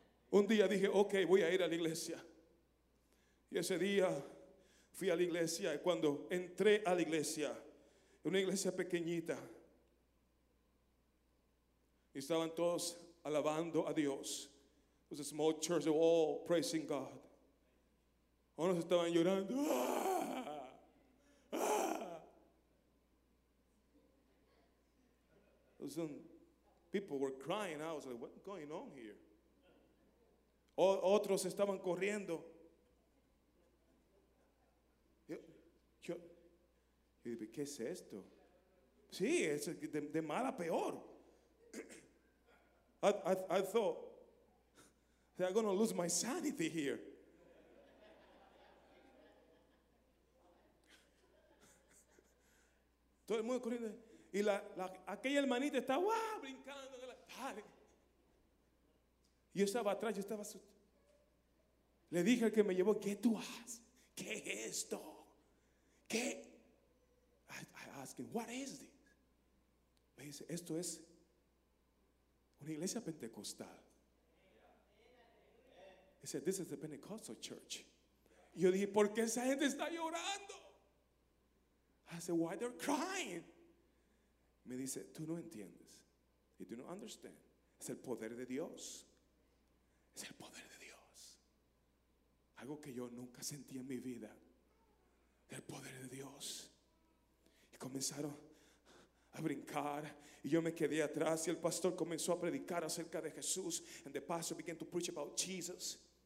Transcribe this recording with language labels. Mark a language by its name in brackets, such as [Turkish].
[Spanish] Un día dije, ok, voy a ir a la iglesia. Y ese día fui a la iglesia. Y cuando entré a la iglesia, una iglesia pequeñita, y estaban todos alabando a Dios. [English] It was a small church, they were all praising God. [Spanish] Unos estaban llorando. ¡Ah! ¡Ah! [English] Some people were crying. I was like, what's going on here? [Spanish] Otros estaban corriendo. Yo dije, ¿qué es esto? Sí, es de mal a peor. [English] I thought that I'm going to lose my sanity here. [Spanish] Todo el mundo corriendo. Y aquella hermanita estaba brincando. Dale. Yo estaba atrás, yo estaba asustado. Le dije al que me llevó, ¿qué tú haces? ¿Qué es esto? ¿Qué? [English] I asked him, what is this? [Spanish] Me dice, esto es una iglesia pentecostal. [English] He said, this is the Pentecostal church. [Spanish] Y yo dije, ¿por qué esa gente está llorando? [English] I said, why they're crying? [Spanish] Me dice, tú no entiendes. [English] You do not understand. [Spanish] Es el poder de Dios. Es el poder de Dios. Algo que yo nunca sentí en mi vida. El poder de Dios. Y comenzaron a brincar. Y yo me quedé atrás. Y el pastor comenzó a predicar acerca de Jesús. [English] And the pastor began to preach about Jesus.